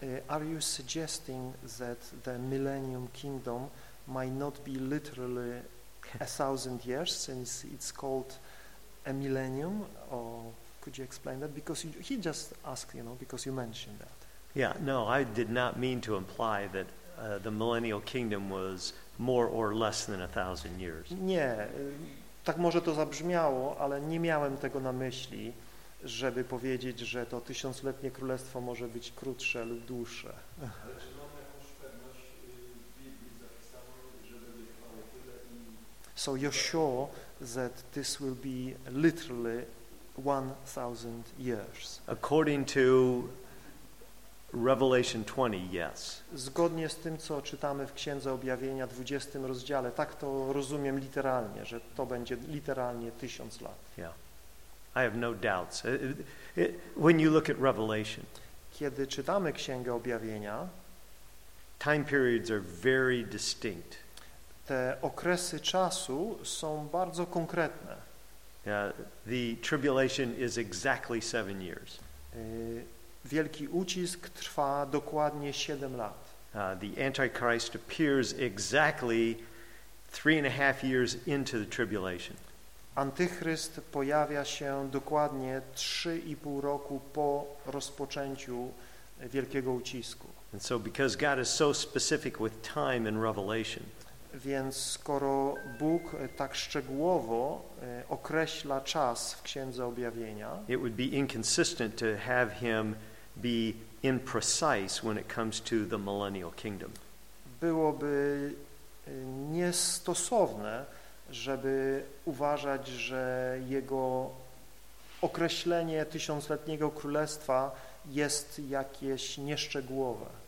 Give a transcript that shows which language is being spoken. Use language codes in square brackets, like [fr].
[en] Are you suggesting that the Millennium Kingdom might not be literally 1,000 years, since it's called a millennium? Or could you explain that? Because he just asked, you know, because you mentioned that. Yeah, no, I did not mean to imply that the Millennial Kingdom was more or less than 1,000 years. [pl] Nie, tak może to zabrzmiało, ale nie miałem tego na myśli, żeby powiedzieć, że to tysiącletnie królestwo może być krótsze lub dłuższe. Ale czy mamy jakąś pewność w Biblii zapisaną, że będzie trwało tyle i... [en] So you're sure that this will be literally 1,000 years? According to Revelation 20, yes. [pl] Zgodnie z tym, co czytamy w Księdze Objawienia 20 rozdziale, tak to rozumiem literalnie, że to będzie literalnie 1,000 lat. [en] Yeah. I have no doubts. When you look at Revelation, [pl] kiedy czytamy Księgę Objawienia, [en] time periods are very distinct. [pl] te okresy czasu są bardzo konkretne. [en] The tribulation is exactly 7 years. [pl] Wielki ucisk trwa dokładnie 7 lat. [en] The Antichrist appears exactly 3.5 years into the tribulation. [pl] Antychryst pojawia się dokładnie 3,5 roku po rozpoczęciu wielkiego ucisku. [en] And so because God is so specific with time in Revelation. [pl] Więc skoro Bóg tak szczegółowo określa czas w Księdze Objawienia, [en] it would be inconsistent to have him be imprecise when it comes to the millennial kingdom. [pl] Byłoby niestosowne, żeby uważać, że jego określenie tysiącletniego królestwa jest jakieś nieszczegółowe.